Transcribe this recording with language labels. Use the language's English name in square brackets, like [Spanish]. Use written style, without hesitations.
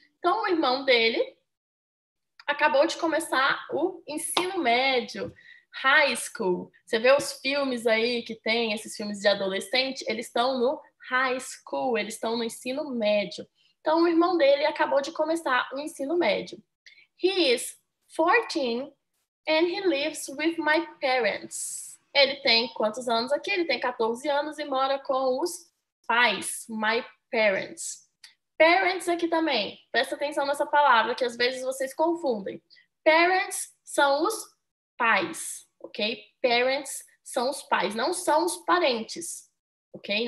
[Portuguese] Então, o irmão dele acabou de começar o ensino médio, high school. Você vê os filmes aí que tem, esses filmes de adolescente, eles estão no high school, eles estão no ensino médio. Então, o irmão dele acabou de começar o ensino médio. [English] He is 14 and he lives with my parents. [Portuguese] Ele tem quantos anos aqui? Ele tem 14 anos e mora com os pais, [English] my parents. [Portuguese] Parents aqui também, presta atenção nessa palavra que às vezes vocês confundem. Parents são os pais, ok? Parents são os pais, não são os parentes, ok?